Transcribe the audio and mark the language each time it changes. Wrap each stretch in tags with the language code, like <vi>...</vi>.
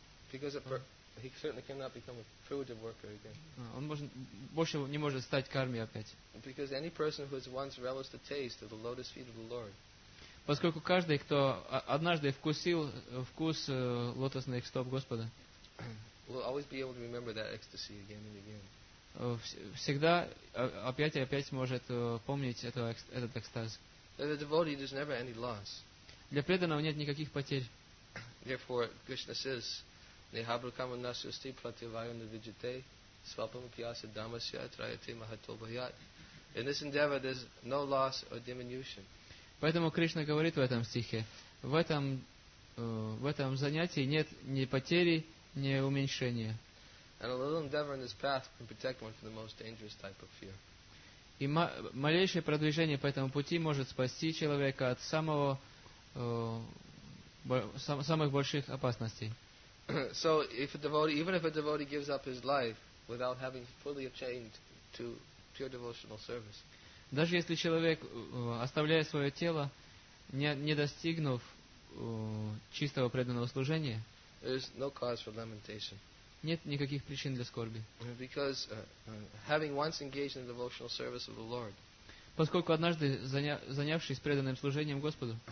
<en>He certainly cannot become a fruitive worker again.</en> <ru>Он больше не может стать кармой опять.</ru> <en>Because any person who has once relished the taste of the lotus feet of the Lord.</en> <ru>Поскольку каждый, кто однажды вкусил вкус лотосных стоп Господа,</ru> <en>will always be able to remember that ecstasy again and again.</en> <ru>Всегда опять и опять может помнить этот экстаз.</ru> <en>For the devotee, there's never any loss.</en> <ru>Для преданного нет никаких потерь.</ru> <en>Therefore, Krishna says.</en> <sa>Nehabrakam nasyasti prativayana vijite svapam kyasa damasya trayate mahatobhayat.</sa> <en>In this endeavor there's no loss or diminution.</en> <ru>Поэтому Кришна говорит в этом стихе, в этом занятии нет ни потери, ни уменьшения.</ru> <en>And a little endeavor in this path can protect one from the most dangerous type of fear.</en> <ru>И малейшее продвижение по этому пути может спасти человека от самых больших опасностей.</ru> <en>So, even if a devotee gives up his life without having fully attained to pure devotional service,</en> <ru>даже если человек оставляет свое тело, не достигнув чистого преданного служения,</ru> <en>there is no cause for lamentation.</en> <ru>Нет никаких причин для скорби.</ru> <en>Because having once engaged in the devotional service of the Lord,</en> <ru>поскольку однажды занявшись преданным служением Господу,</ru>